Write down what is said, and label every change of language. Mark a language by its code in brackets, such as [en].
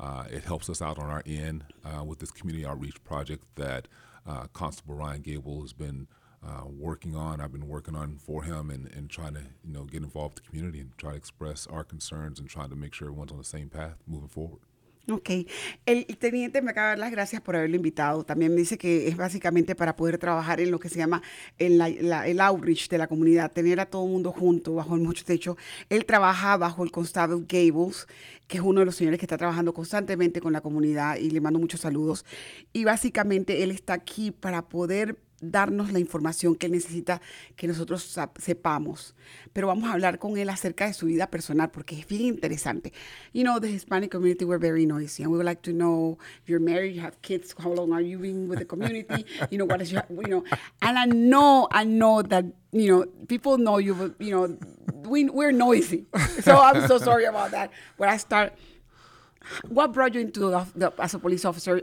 [en] It helps us out on our end with this community outreach project that Constable Ryan Gable has been working on. I've been working on for him and trying to, you know, get involved with the community and try to express our concerns and trying to make sure everyone's on the same path moving forward. Okay. [es] El teniente me acaba de dar las gracias por haberlo invitado. También me dice que es básicamente para poder trabajar en lo que se llama el outreach de la comunidad, tener a todo el mundo junto bajo el mismo techo. Él trabaja bajo el Constable Gables, que es uno de los señores que está trabajando constantemente con la comunidad y le mando muchos saludos. Y básicamente él está aquí para poder darnos la información que él necesita que nosotros sepamos. Pero vamos a hablar con él acerca de su vida personal porque es bien interesante. [en] You know, the Hispanic community, we're very noisy. And we would like to know, you're married, you have kids, how long are you being with the community? You know, what is your, you know. And I know that, you know, people know you, but, you know, we're noisy. So I'm so sorry about that. When I start, what brought you into the as a police officer?